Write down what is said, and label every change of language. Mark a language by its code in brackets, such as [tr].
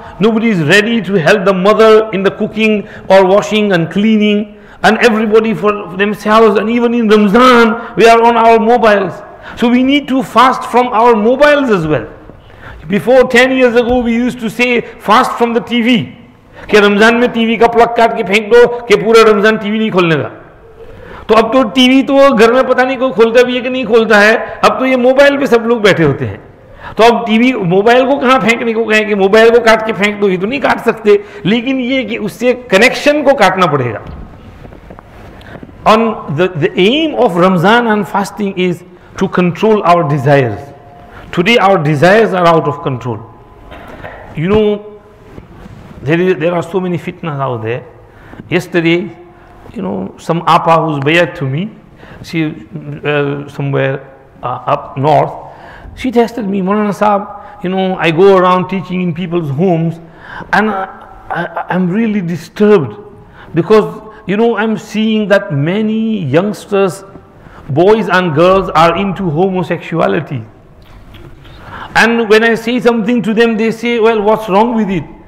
[en] Nobody is ready to help the mother in the cooking or washing and cleaning. And everybody for themselves, and even in Ramzan, we are on our mobiles. So we need to fast from our mobiles as well. Before 10 years ago, we used to say, fast from the TV. [hi] Ke Ramzan mein TV ka plug kaat ke phenk do, ke pura Ramzan TV nahi kholne ga. तो अब तो TV तो घर में पता नहीं कोई खोलता भी है कि नहीं खोलता है अब तो ये मोबाइल पे सब लोग बैठे होते हैं तो अब टीवी मोबाइल को कहां फेंकने को कहेंगे मोबाइल को काट के फेंक दो ये तो नहीं काट सकते लेकिन ये कि उससे कनेक्शन को काटना पड़ेगा [en] On the aim of Ramzan and fasting is to control our desires today our desires are out of control you know there are so many fitness out there yesterday You know, some apa who's bayat to me, she somewhere up north, she tested me, Maulana Saab, you know, I go around teaching in people's homes and I'm really disturbed because, you know, I'm seeing that many youngsters, boys and girls are into homosexuality. And when I say something to them, they say, well, what's wrong with it?